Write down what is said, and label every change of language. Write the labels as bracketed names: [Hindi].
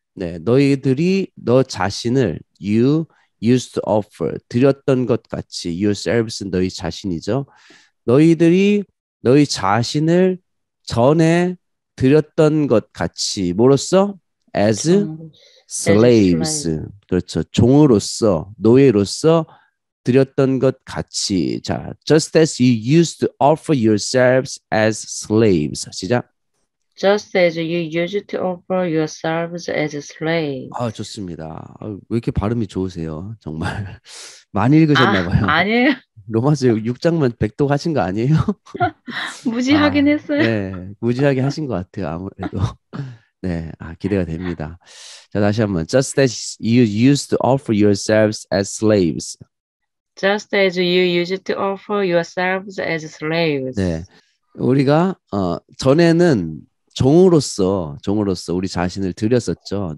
[Korean] 네. 너희들이 너 자신을 [English] you used to offer [Korean] 드렸던 것 같이 yourselves는 너희 자신이죠. 너희들이 너희 자신을 전에 드렸던 것 같이 뭐로써? [English] As slaves. [Korean] 그렇죠. 종으로서, 노예로서 드렸던 것 같이. [English] 자, just as you used to offer yourselves as slaves. [Korean] 시작. [English] Just as you used to offer yourselves as slaves. [Korean] 아, 좋습니다. 왜 이렇게 발음이 좋으세요? 정말 많이 읽으셨나 봐요. 아, 아니에요. 로마서 6장만 100도 하신 거 아니에요? 무지하긴 했어요. 네, 무지하게 하신 것 같아요. 아무래도. 네, 아, 기대가 됩니다. 자, 다시 한번. [English] Just as you used to offer yourselves as slaves. Just as you used to offer yourselves as slaves. [Korean] 네, 우리가 전에는 종으로서 우리 자신을 드렸었죠.